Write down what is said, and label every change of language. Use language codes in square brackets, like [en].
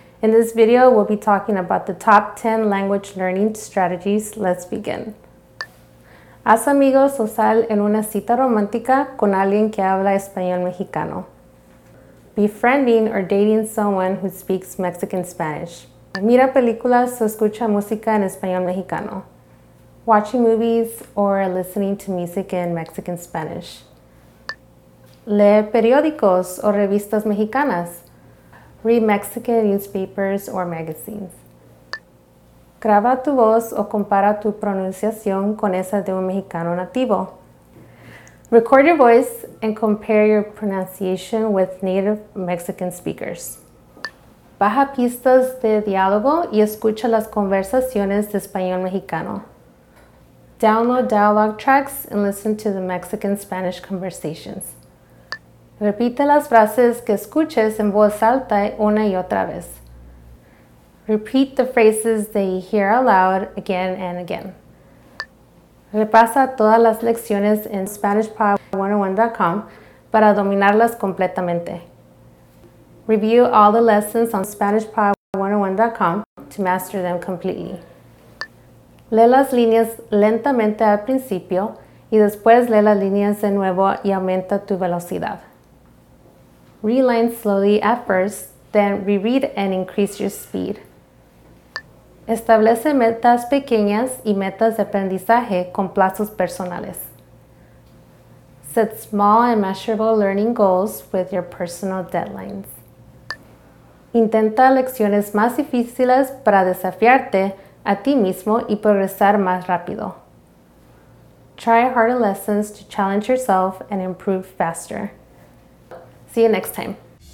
[en] In this video, we'll be talking about the top 10 language learning strategies. Let's begin. [es] Haz amigos o sal en una cita romántica con alguien que habla español mexicano. [en] Befriending or dating someone who speaks Mexican Spanish. [es] Mira películas o escucha música en español mexicano. [en] Watching movies or listening to music in Mexican Spanish. [es] Lee periódicos o revistas mexicanas. [en] Read Mexican newspapers or magazines. [es] Graba tu voz o compara tu pronunciación con esa de un mexicano nativo. [en] Record your voice and compare your pronunciation with native Mexican speakers. [es] Baja pistas de diálogo y escucha las conversaciones de español mexicano. [en] Download dialogue tracks and listen to the Mexican-Spanish conversations. [es] Repite las frases que escuches en voz alta una y otra vez. [en] Repeat the phrases that you hear aloud again and again. [es] Repasa todas las lecciones en SpanishPod101.com para dominarlas completamente. [en] Review all the lessons on SpanishPod101.com to master them completely. [es] Lee las líneas lentamente al principio y después lee las líneas de nuevo y aumenta tu velocidad. [en] Read lines slowly at first, then reread and increase your speed. [es] Establece metas pequeñas y metas de aprendizaje con plazos personales. [en] Set small and measurable learning goals with your personal deadlines. [es] Intenta lecciones más difíciles para desafiarte a ti mismo y progresar más rápido. [en] Try harder lessons to challenge yourself and improve faster. See you next time.